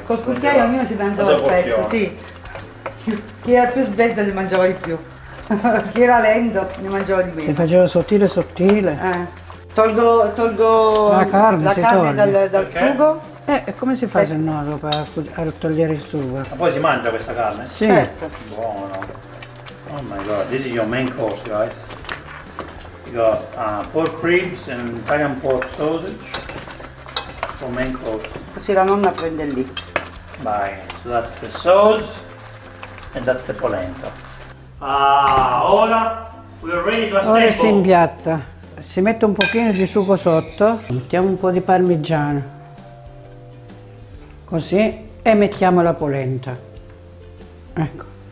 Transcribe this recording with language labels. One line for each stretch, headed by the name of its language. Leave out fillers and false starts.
Italian: Col cucchiaio ognuno si mangiava il pezzo, sì. Chi era più svelto ne mangiava di più. Chi era lento ne mangiava di meno. Si faceva sottile sottile. Tolgo la carne dal sugo. E come si fa se no a togliere il sugo? Ma poi si mangia questa carne? Sì. Certo. Buono.
English: Oh my god, this is your main course, guys. You got pork ribs and Italian pork sausage for main course.
Italian: Così la nonna prende lì.
English: Bye. So that's the sauce and that's the polenta.
Italian: Ora
English: we are ready to assemble.
Italian: Ora si impiatta. Si mette un pochino di sugo sotto, mettiamo un po' di parmigiano, così, e mettiamo la polenta, ecco.